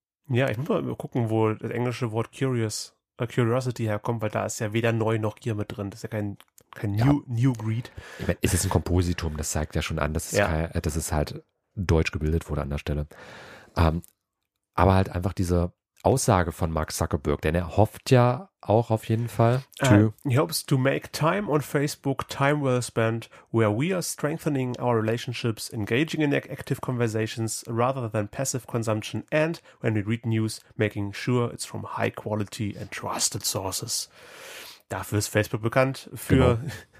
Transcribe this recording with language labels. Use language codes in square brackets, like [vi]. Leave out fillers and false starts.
[de] Ja, ich muss mal gucken, wo das englische Wort Curiosity herkommt, weil da ist ja weder neu noch Gier mit drin. Das ist ja kein New Greed. Ich meine, ist es ein Kompositum, das zeigt ja schon an, dass es halt deutsch gebildet wurde an der Stelle. Aber halt einfach diese Aussage von Mark Zuckerberg, denn er hofft ja auch auf jeden Fall. [en] He hopes to make time on Facebook time well spent, where we are strengthening our relationships, engaging in active conversations rather than passive consumption and when we read news, making sure it's from high quality and trusted sources. [de] Dafür ist Facebook bekannt, für genau.